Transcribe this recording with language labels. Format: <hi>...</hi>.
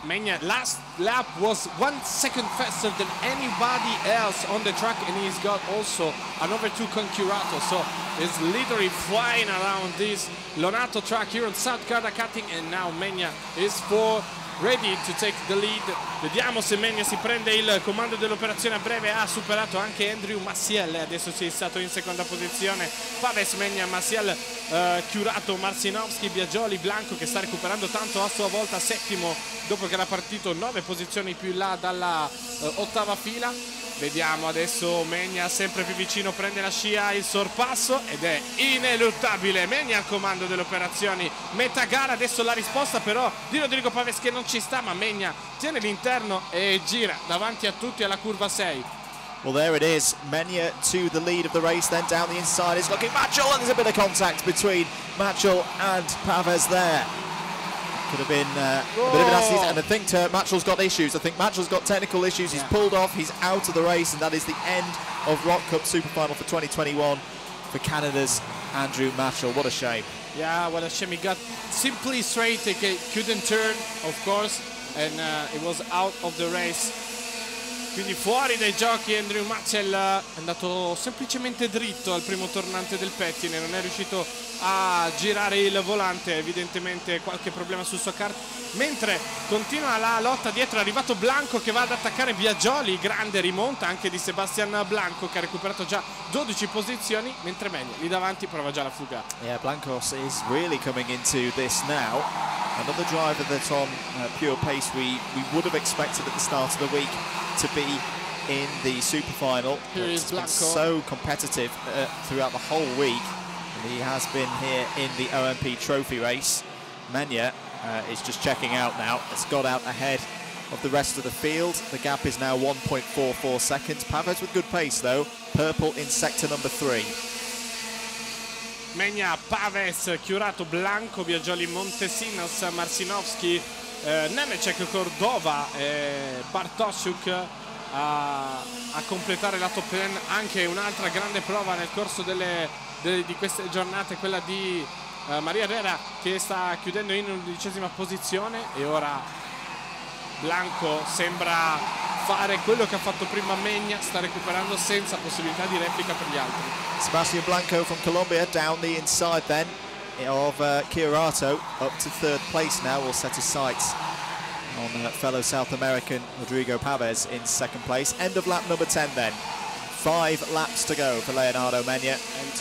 <en>Meña, last lap was 1 second faster than anybody else on the track, and he's got also an overtook con Curato. So he's literally flying around this Lonato track here on South Garda Cutting, and now Meña is for ready to take the lead.</en> <it>Vediamo se Meña si prende il comando dell'operazione a breve. Ha superato anche Andrew Maciel, adesso si è stato in seconda posizione. Pavés, Meña, Maciel, Curato, Marcinowski, Biagioli, Blanco che sta recuperando tanto a sua volta, settimo dopo che era partito 9 posizioni più in là dalla ottava fila. Vediamo adesso Meña sempre più vicino, prende la scia, il sorpasso ed è ineluttabile. Meña al comando delle operazioni, metà gara, adesso la risposta però di Rodrigo Pavés che non ci sta, ma Meña tiene l'interno e gira davanti a tutti alla curva 6.</it> <en>Well, there it is. Menya to the lead of the race, then down the inside is looking Matchell, and there's a bit of contact between Matchell and Pavez there. Could have been a bit of an accident. And I think Matchell's got issues. I think Matchell's got technical issues. Yeah. He's pulled off, he's out of the race, and that is the end of Rock Cup Superfinal for 2021 for Canada's Andrew Matchell. What a shame. Yeah, what a shame. He got simply straight, he couldn't turn, of course, and he was out of the race.</en> <it>Quindi fuori dai giochi Andrew Matchell, è andato semplicemente dritto al primo tornante del pettine, non è riuscito a girare il volante, evidentemente qualche problema sul suo kart. Mentre continua la lotta dietro, è arrivato Blanco che va ad attaccare Biagioli, grande rimonta anche di Sebastian Blanco che ha recuperato già 12 posizioni, mentre Menya lì davanti prova già la fuga.</it> <en>Yeah, Blanco is really coming into this now. Another driver that on pure pace we would have expected at the start of the week to be in the super final. Here is Blanco. Been so competitive throughout the whole week, and he has been here in the OMP trophy race. Menya is just checking out now. It's got out ahead of the rest of the field. The gap is now 1.44 seconds. Pavez with good pace though. Purple in sector number three.</en> <it>Menya, Pavez, Chiurato, Blanco, Biagioli, Montesinos, Marcinowski, Nemecek, Cordova e Bartosiuk a completare la top 10. Anche un'altra grande prova nel corso di queste giornate, quella di Maria Herrera, che sta chiudendo in undicesima posizione. E ora Blanco sembra fare quello che ha fatto prima Menya, sta recuperando senza possibilità di replica per gli altri.</it> <en>Sebastian Blanco from Colombia down the inside then of Chiarato, up to third place now. We'll set his sights on fellow South American Rodrigo Pavez in second place. End of lap number 10 then. Five laps to go for Leonardo Menya.</en>